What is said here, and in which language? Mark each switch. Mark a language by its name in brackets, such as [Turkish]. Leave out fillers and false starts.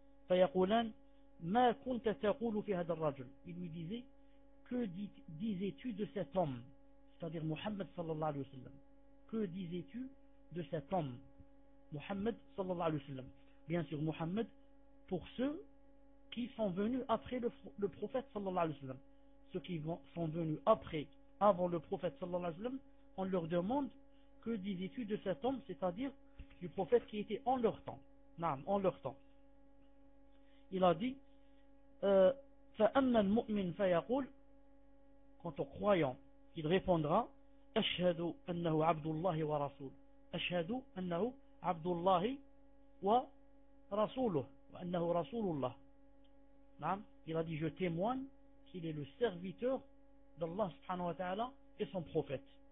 [Arabic] Fayaqulan ma kunta taqulu fi hadha ar-rajul, [French] il lui disait que disais-tu de cet homme, c'est-à-dire Muhammad sallallahu alayhi wa sallam, que disais-tu de cet homme Muhammad sallallahu alayhi wa sallam, bien sûr Muhammad pour ceux qui sont venus après le prophète sallallahu alayhi wa sallam. Ceux qui sont venus après, avant le prophète sallallahu alayhi wa sallam, on leur demande que disais-tu de cet homme, c'est-à-dire du prophète qui était en leur temps. Naam, en leur temps. Il a dit [Arabic] فَأَمَّا الْمُؤْمِنْ فَيَقُولُ, [French] quant au croyant, il répondra [Arabic] أَشْهَدُ أَنَّهُ عَبْدُ اللَّهِ وَرَسُولُ أَشْهَدُ أَنَّهُ عَبْدُ اللَّهِ وَرَسُولُهُ وَأَنَّهُ رَسُولُ اللَّهِ. [French] Il a dit je témoigne qu'il est le serviteur d'Allah subhanahu wa ta'ala et son prophète.